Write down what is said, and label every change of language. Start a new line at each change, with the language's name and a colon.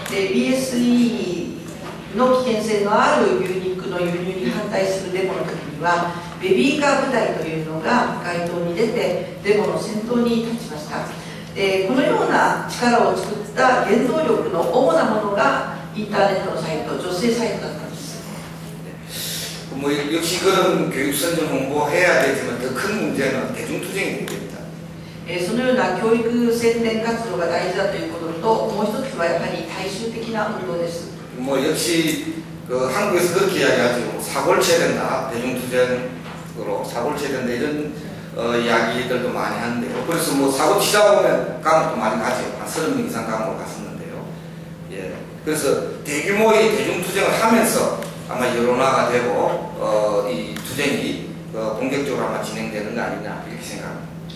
Japanese: BSEの危険性のある牛肉の輸入に反対するデモの時には、 ベビーカー 部隊というのが街頭に出てデモの先頭に立ちました。このような力を作った原動力の主なものがインターネットのサイト、女性サイトだったんです。
Korean: 뭐 역시 그런 교육선전 홍보해야되지만 더 큰 문제는 대중투쟁입니다.
Japanese: そのような教育宣伝活動が大事だということと、もう一つはやはり大衆的な運動です。
Korean: 뭐 역시 그 한국에서 그렇게 이야기하죠. 사골체가 된다, 대중투쟁 사고치던데 이런 이야기들도 많이 하는데요. 그래서 뭐 사고 치다 보면 감옥도 많이 가죠. 한 서른 명 이상 감옥을 갔었는데요. 예. 그래서 대규모의 대중투쟁을 하면서 아마 여론화가 되고 이 투쟁이 본격적으로 아마 진행되는 거 아니냐 이렇게 생각합니다.